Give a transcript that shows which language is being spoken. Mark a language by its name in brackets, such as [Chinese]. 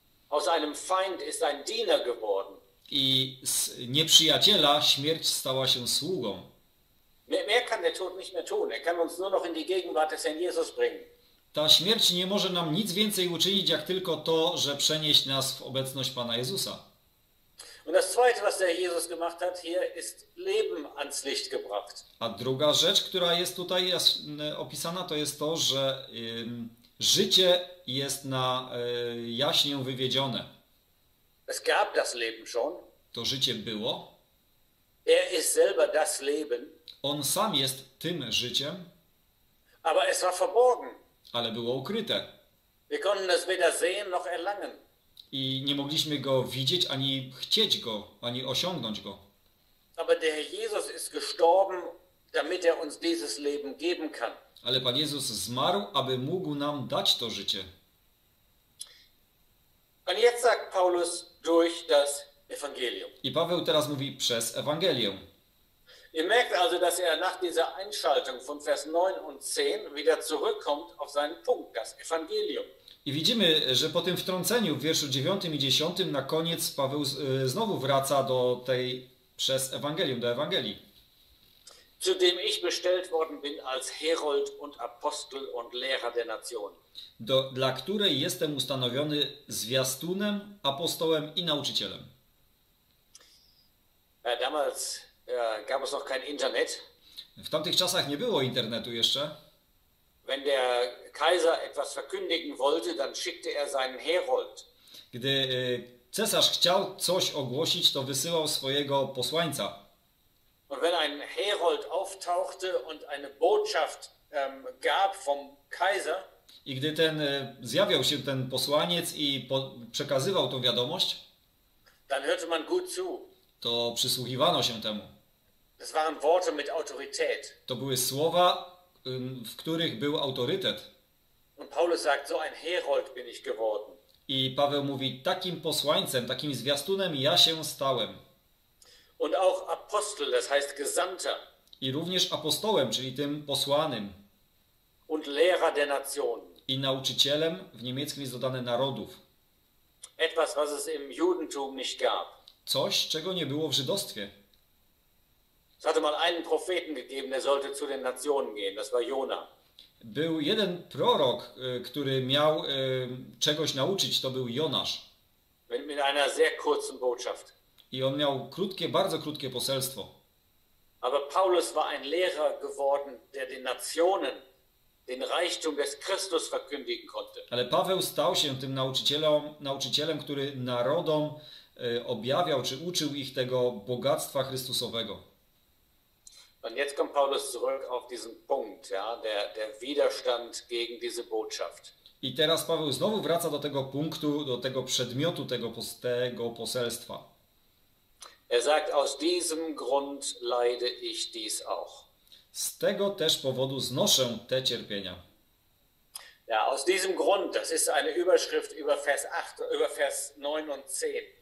[German] Aus einem Feind ist ein Diener geworden. [Polish] I z nieprzyjaciela śmierć stała się sługą. [German] Mehr kann der Tod nicht mehr tun. Er kann uns nur noch in die Gegenwart des Herrn Jesus bringen. [Polish] Ta śmierć nie może nam nic więcej uczynić, jak tylko to, że przenieść nas w obecność Pana Jezusa. [German] Und das Zweite, was der Jesus gemacht hat, hier ist Leben ans Licht gebracht. [Polish] A druga rzecz, która jest tutaj opisana, to jest to, że życie jest na jaśnię wywiedzione. [German] Es gab das Leben schon. [Polish] To życie było. [German] Er ist selber das Leben. [Polish] On sam jest tym życiem, [German] aber es war verborgen. [Polish] Ale było ukryte. [German] Wir konnten es weder sehen noch erlangen. [Polish] I nie mogliśmy go widzieć, ani chcieć go, ani osiągnąć go. [German] Aber der Jesus ist gestorben, damit er uns dieses Leben geben kann. [Polish] Ale Pan Jezus zmarł, aby mógł nam dać to życie. [German] Und jetzt sagt Paulus durch das Evangelium. [Polish] I Paweł teraz mówi przez Ewangelię. [German] Ihr merkt also, dass er nach dieser Einschaltung von Vers 9 und 10 wieder zurückkommt auf seinen Punkt, das Evangelium. [Polish] I widzimy, że po tym wtrąceniu w wierszu 9 i 10 na koniec Paweł znowu wraca do tej przez Ewangelium, do Ewangelii. [German] Zu dem ich bestellt worden bin als Herold und Apostel und Lehrer der Nationen. [Polish] Dla której jestem ustanowiony zwiastunem, apostołem i nauczycielem. [German] Damals gab es noch kein Internet. [Polish] W tamtych czasach nie było internetu jeszcze. [German] Wenn der Kaiser etwas verkündigen wollte, dann schickte er seinen Herold. [Polish] Gdy cesarz chciał coś ogłosić, to wysyłał swojego posłańca. [German] Und wenn ein Herold auftauchte und eine Botschaft gab vom Kaiser. [Polish] I gdy ten zjawiał się ten posłaniec i przekazywał tą wiadomość, [German] dann hörte man gut zu. [Polish] To przysłuchiwano się temu. [German] Das waren Worte mit Autorität. [Polish] To były słowa, w których był autorytet. [German] Und Paulus sagt, so ein Herold bin ich geworden. [Polish] I Paweł mówi, takim posłańcem, takim zwiastunem ja się stałem. [German] Und auch Apostel, das heißt Gesandter. [Polish] I również apostołem, czyli tym posłanym. [German] Und Lehrer der Nationen. [Polish] I nauczycielem, w niemieckim jest dodane narodów. [German] Etwas, was es im Judentum nicht gab. [Polish] Coś, czego nie było w żydostwie. [German] Es hatte mal einen Propheten gegeben, der sollte zu den Nationen gehen. Das war Jona. [Polish] Był jeden prorok, który miał czegoś nauczyć, to był Jonasz. [German] Mit einer sehr kurzen Botschaft. [Polish] I on miał krótkie, bardzo krótkie poselstwo. [German] Aber Paulus war ein Lehrer geworden, der den Nationen den Reichtum des Christus verkündigen konnte. [Polish] Ale Paweł stał się tym nauczycielem, który narodom objawiał, czy uczył ich tego bogactwa Chrystusowego. [German] Und jetzt kommt Paulus zurück auf diesen Punkt, ja, der Widerstand gegen diese Botschaft. [Polish] I teraz Paweł znowu wraca do tego punktu, do tego przedmiotu, tego poselstwa. [German] Er sagt, aus diesem Grund leide ich dies auch. [Polish] Z tego też powodu znoszę te cierpienia. [German] Ja, aus diesem Grund, das ist eine Überschrift über Vers 8, über Vers 9 und 10.